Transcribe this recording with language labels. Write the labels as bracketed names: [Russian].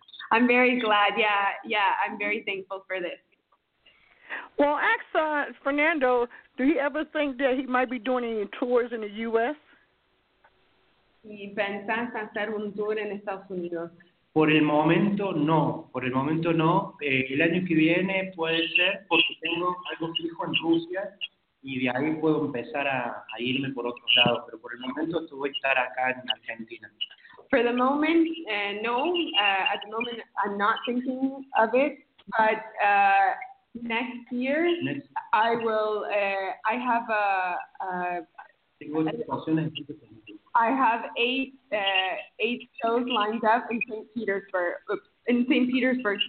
[English] I'm very glad, yeah, I'm very thankful for this. Well, ask Fernando, do you ever think that he might be doing any tours in the U.S.? [Spanish] ¿Y pensás hacer un tour en Estados Unidos? Por el momento no. El año que viene puede ser, porque tengo algo fijo en Rusia y de ahí puedo empezar a irme por otro lado. Pero por el momento voy a estar acá en Argentina. [English] For the moment, no. At the moment, I'm not thinking of it. But next year. I will. I have a. [Spanish] Tengo situaciones diferentes. [English] I have eight shows lined up in St. Petersburg.